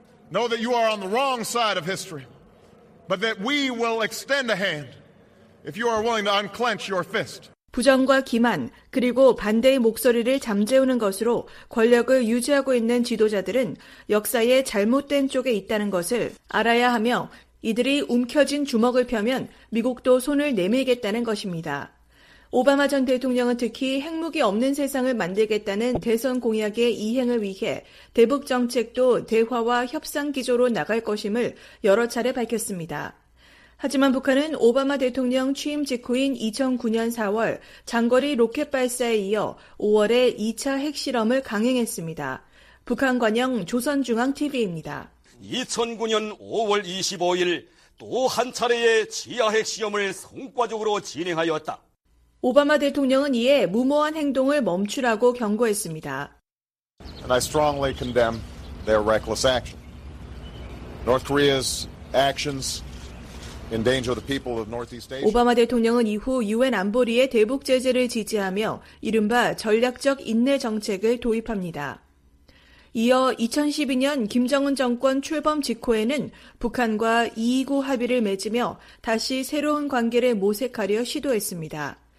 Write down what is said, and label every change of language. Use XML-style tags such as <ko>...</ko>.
<en>Know that you are on the wrong side of history. But that we will extend a hand if you are willing to unclench your fist.</en> <ko>부정과 기만 그리고 반대의 목소리를 잠재우는 것으로 권력을 유지하고 있는 지도자들은 역사의 잘못된 쪽에 있다는 것을 알아야 하며 이들이 움켜진 주먹을 펴면 미국도 손을 내밀겠다는 것입니다. 오바마 전 대통령은 특히 핵무기 없는 세상을 만들겠다는 대선 공약의 이행을 위해 대북 정책도 대화와 협상 기조로 나갈 것임을 여러 차례 밝혔습니다. 하지만 북한은 오바마 대통령 취임 직후인 2009년 4월 장거리 로켓 발사에 이어 5월에 2차 핵실험을 강행했습니다. 북한 관영 조선중앙TV입니다. 2009년 5월 25일 또 한 차례의 지하 핵시험을 성과적으로 진행하였다. 오바마 대통령은 이에 무모한 행동을 멈추라고 경고했습니다.</ko> <en>And I strongly condemn their reckless action. North Korea's actions endanger the people of Northeast Asia.</en> <ko>오바마 대통령은 이후 유엔 안보리의 대북 제재를 지지하며 이른바 전략적 인내 정책을 도입합니다. 이어 2012년 김정은 정권 출범 직후에는 북한과 2.29 합의를 맺으며 다시 새로운 관계를 모색하려 시도했습니다.</ko>